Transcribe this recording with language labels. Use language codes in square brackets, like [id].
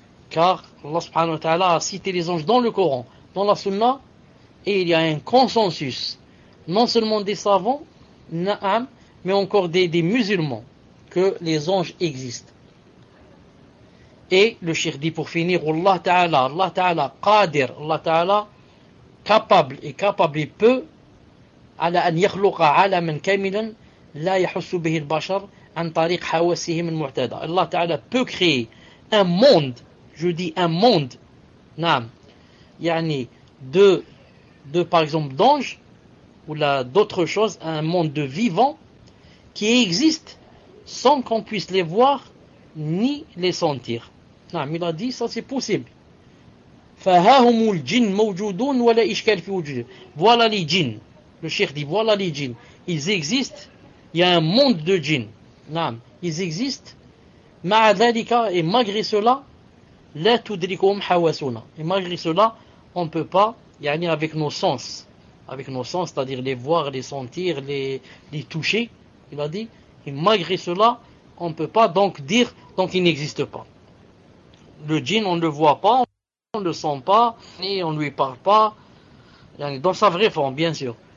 [fr] Car Allah subhanahu wa ta'ala a cité les anges dans le Coran, dans la Sunna, et il y a un consensus, non seulement des savants, non, mais encore des musulmans, que les anges existent. Et le shir dit pour finir, Allah Ta'ala, qadir, Allah Ta'ala, capable et peut [ar] على أن يخلق عالما كاملا لا يحس به البشر عن طريق حواسهم المعتادة. الله تعالى [fr] peut créer un monde, je dis un monde, نعم, يعني de par exemple d'anges ou là d'autres choses, un monde de vivants qui existe sans qu'on puisse les voir ni les sentir. نعم, il a dit ça c'est possible. [ar] فهاهم الجن موجودون ولا إشكال في وجودهم. [fr] Voilà les djinns. Le cheikh dit voilà les djinns. Ils existent. Il y a un monde de djinns. نعم, ils existent. [ar] مع ذلك, [fr] et malgré cela, [ar] لا تدركهم حواسنا. [fr] Et malgré cela, on ne peut pas, يعني avec nos sens, c'est-à-dire les voir, les sentir, les toucher, il a dit, et malgré cela, on ne peut pas donc dire, donc il n'existe pas. Le djinn, on ne le voit pas, on ne le sent pas, et on ne lui parle pas, يعني dans sa vraie forme, bien sûr.